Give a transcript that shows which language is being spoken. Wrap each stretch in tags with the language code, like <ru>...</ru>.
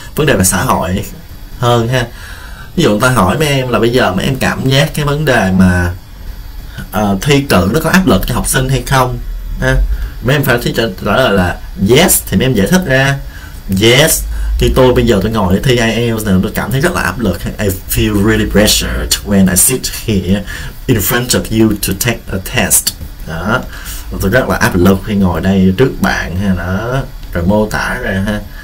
<vi>Vấn đề về xã hội hơn ha. Ví dụ người ta hỏi mấy em là bây giờ mấy em cảm giác cái vấn đề mà thi cử nó có áp lực cho học sinh hay không ha. Mấy em phải trả lời là yes thì mấy em giải thích ra yes thì tôi bây giờ tôi ngồi để thi IELTS này tôi cảm thấy rất là áp lực.</vi> <en>I feel really pressured when I sit here in front of you to take a test.</en> <vi>Đó. Tôi rất là áp lực khi ngồi đây trước bạn ha. Đó. Rồi mô tả ra ha.</vi>